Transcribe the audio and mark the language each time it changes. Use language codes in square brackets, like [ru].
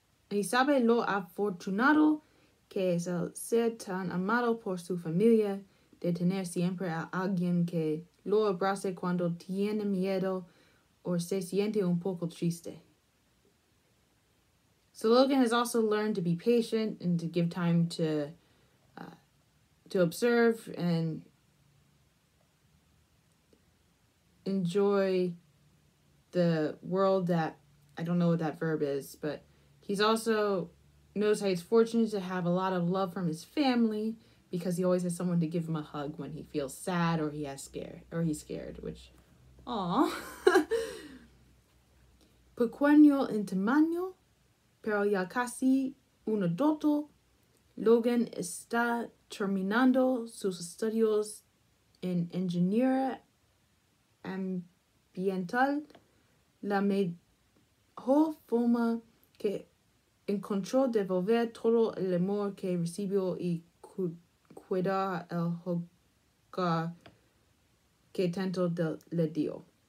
[es] Y sabe lo afortunado que es el ser tan amado por su familia, de tener siempre a alguien que lo abrace cuando tiene miedo o se siente un poco triste. [en] So Logan has also learned to be patient and to give time to observe and enjoy the world that, I don't know what that verb is, but he's also knows how he's fortunate to have a lot of love from his family because he always has someone to give him a hug when he feels sad or he's scared, which, aww. [es] Pequeño en tamaño, pero ya casi un adulto, Logan está terminando sus estudios en ingeniería ambiental, la mejor forma que encontró de volver todo el amor que recibió y cuidar el hogar que tanto le dio.